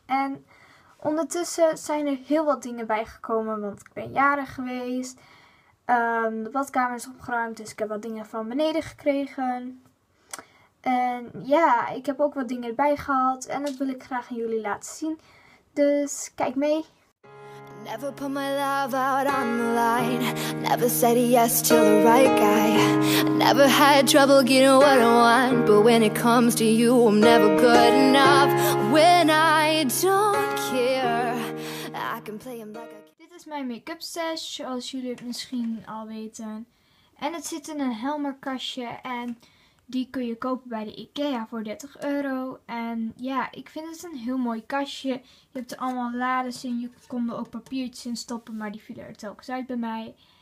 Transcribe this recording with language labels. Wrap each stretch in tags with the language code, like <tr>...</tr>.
<nl>En ondertussen zijn er heel wat dingen bijgekomen, want ik ben jarig geweest. De badkamer is opgeruimd, dus ik heb wat dingen van beneden gekregen. En ja, ik heb ook wat dingen erbij gehaald en dat wil ik graag aan jullie laten zien. Dus kijk mee!</nl> <en>Never put my love out on the line. Never said yes to the right guy. Never had trouble getting what I want. But when it comes to you, I'm never good enough. When I don't care, I can play him like I can.</en> <nl>Dit is mijn make-up stash, zoals jullie het misschien al weten. En het zit in een Helmer kastje. En die kun je kopen bij de IKEA voor 30 euro. En ja, ik vind het een heel mooi kastje. Je hebt er allemaal lades in. Je kon er ook papiertjes in stoppen, maar die vielen er telkens uit bij mij.</nl>